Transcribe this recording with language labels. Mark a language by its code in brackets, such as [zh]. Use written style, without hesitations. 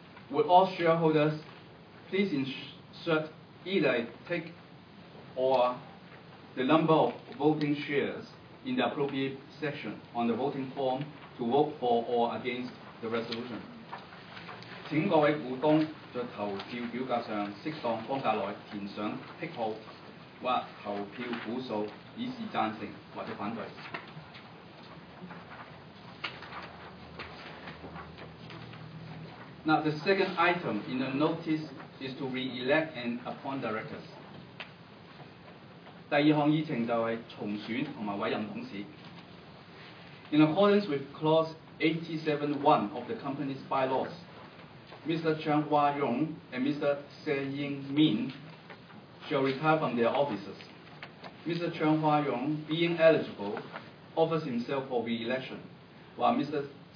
[en] Would all shareholders please insert either a tick or the number of voting shares in the appropriate section on the voting form to vote for or against the resolution? [yue] 請各位股東在投票表格上適當方格內填上 tick 號或投票股數，以示贊成或者反對。 [en] Now, the second item in the notice is to re-elect and appoint directors. [yue] 第二項議程就是重選和委任董事. [en] In accordance with Clause 87.1 of the company's bylaws, Mr. Chang Hua Yong and Mr. Se Ying Min shall retire from their offices. Mr. Chang Hua Yong, being eligible, offers himself for re-election, while Mr.